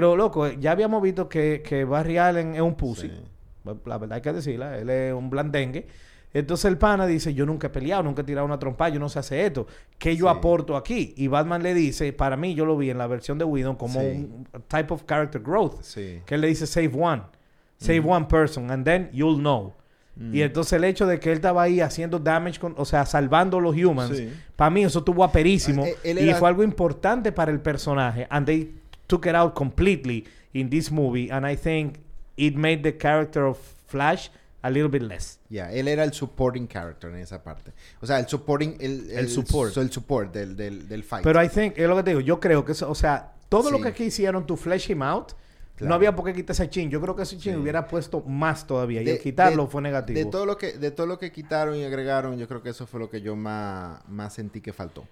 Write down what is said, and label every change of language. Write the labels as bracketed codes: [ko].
[es] Pero, loco, ya habíamos visto que Barry Allen es un pussy. La verdad hay que decirla. Él es un blandengue. Entonces el pana dice, yo nunca he peleado, nunca he tirado una trompa, yo no sé hacer esto. ¿Qué yo aporto aquí? Y Batman le dice, para mí, yo lo vi en la versión de Whedon como un [en] type of character growth. [es] Que él le dice, [en] save one person, and then you'll know. [es] Y entonces el hecho de que él estaba ahí haciendo damage, con, o sea, salvando a los humans, para mí eso estuvo aperísimo. Y fue algo importante para el personaje. [en] And they took it out completely in this movie, and I think it made the character of Flash a little bit less. [es] Yeah, él era el supporting character en esa parte. O sea, el supporting... El [en] support. [es] El support del fight. Pero [en] I think, [es] es lo que te digo, yo creo que eso, o sea, todo lo que aquí hicieron [en] to flesh him out, [es] no había por qué quitar ese chin. Yo creo que ese chin hubiera puesto más todavía. Y el quitarlo fue negativo. De todo lo que quitaron y agregaron, yo creo que eso fue lo que yo más sentí que faltó.